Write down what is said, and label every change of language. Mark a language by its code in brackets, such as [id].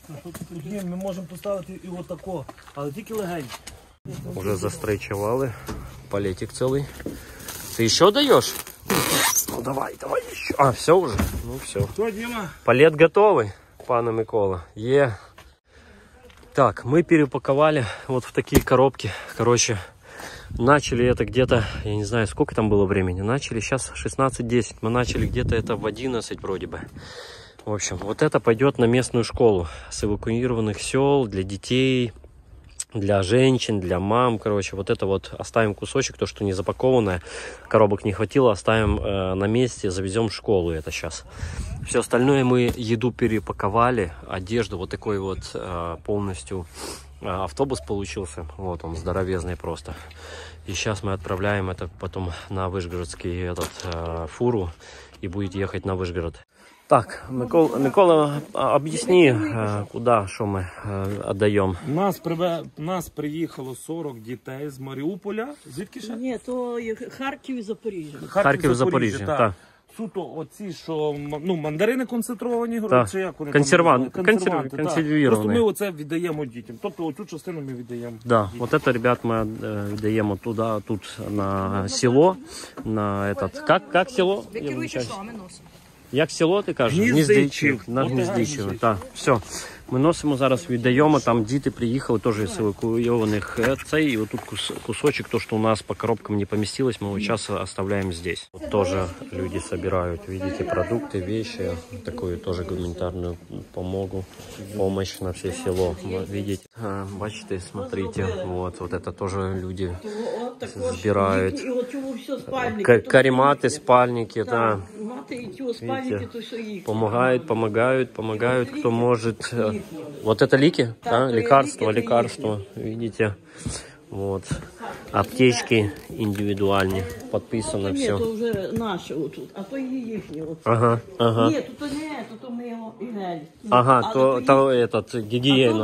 [uk] Тут, ми можемо поставити і отако, але тільки легень. Уже застрейчували. Палетик цілий. Ти ще даєш? Ну, давай, давай ще. А, все вже? Ну, все. Що, Діма? Палет готовий, пане Микола. Є. Так, ми перепакували от в такі коробки. [ru] Короче, начали это где-то, я не знаю, сколько там было времени, начали сейчас 16:10, мы начали где-то это в 11 вроде бы. В общем, вот это пойдет на местную школу с эвакуированных сел для детей, для женщин, для мам, короче, вот это вот оставим кусочек, то, что не запакованное, коробок не хватило, оставим на месте, завезем в школу это сейчас. Все остальное мы еду перепаковали, одежду вот такой вот полностью... Автобус получился, вот он здоровезный просто. И сейчас мы отправляем это потом на Вышгородский этот фуру и будет ехать на Вышгород. Так, Микола, объясни, куда, что мы отдаем. Нас приехало 40 детей из Мариуполя. [uk] Звідки ще? Ні, то Харків і Запоріжжя. Харків і Запоріжжя, так. Суто оці, що ну, мандарини концентровані, да. Чи як вони консервант, консервірувані. Просто ми оце віддаємо дітям. Тобто оцю частину ми віддаємо. Да. Так, от це, ребят, ми віддаємо туди, тут на село, [ru] на этот. [uk] Як село? Керуючи, що ми носимо. Як село, ти кажеш? Гніздичів. На Гніздичів. Так, все. Ми носимо зараз, віддаємо, там діти приїхали теж з евакуйованих цей, і отут кусочок, то, що у нас по коробкам не помістилось, ми зараз оставляємо здесь. Тут теж люди збирають, видите, продукти, вещи, таку теж гуманітарну допомогу, допомогу на все село, видите. [ru] Бачите, смотрите, вот, вот это тоже люди збирають. [uk] І от цього все спальники. Карімати, спальники, так. Мати і цього спальники, то що їх. Помагають, помагають, помагають, хто може. [ru] Вот это лики, да? Лекарство, лекарство, видите, вот, аптечки индивидуальные, подписано все. Это уже наше вот тут, а то и их. Ага, ага. Нет, тут не, тут мы его и ага, то этот, гигиена.